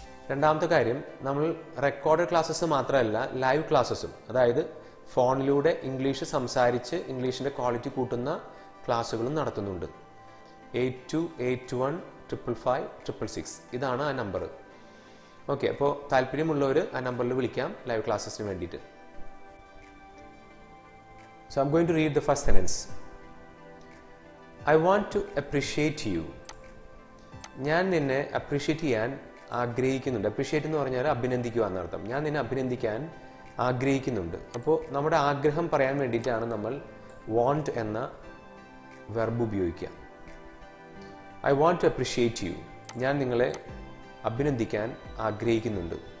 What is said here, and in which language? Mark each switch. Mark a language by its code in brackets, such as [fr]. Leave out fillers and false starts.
[ml] രണ്ടാമത്തെ കാര്യം, നമ്മൾ റെക്കോർഡ് ക്ലാസ്സസ് മാത്രമല്ല ലൈവ് ക്ലാസ്സസും, അതായത് ഫോണിലൂടെ ഇംഗ്ലീഷ് സംസാരിച്ച് ഇംഗ്ലീഷിൻ്റെ ക്വാളിറ്റി കൂട്ടുന്ന ക്ലാസ്സുകളും നടത്തുന്നുണ്ട്. 8281555666 ഇതാണ് ആ നമ്പർ. ഓക്കെ, അപ്പോൾ താല്പര്യമുള്ളവർ ആ നമ്പറിൽ വിളിക്കാം ലൈവ് ക്ലാസ്സസിന് വേണ്ടിയിട്ട്. [en] So I'm going to read the first sentence. I want to appreciate you. [ml] ഞാൻ നിന്നെ അപ്രീഷിയേറ്റ് ചെയ്യാൻ ആഗ്രഹിക്കുന്നുണ്ട്. അപ്രീഷിയേറ്റ് എന്ന് പറഞ്ഞാൽ അഭിനന്ദിക്കുക എന്നർത്ഥം. ഞാൻ നിന്നെ അഭിനന്ദിക്കാൻ ആഗ്രഹിക്കുന്നുണ്ട്. അപ്പോൾ നമ്മുടെ ആഗ്രഹം പറയാൻ വേണ്ടിയിട്ടാണ് നമ്മൾ വാണ്ട് എന്ന വെർബ് ഉപയോഗിക്കുക. [en] I want to appreciate you, [ml] ഞാൻ നിങ്ങളെ അഭിനന്ദിക്കാൻ ആഗ്രഹിക്കുന്നുണ്ട്.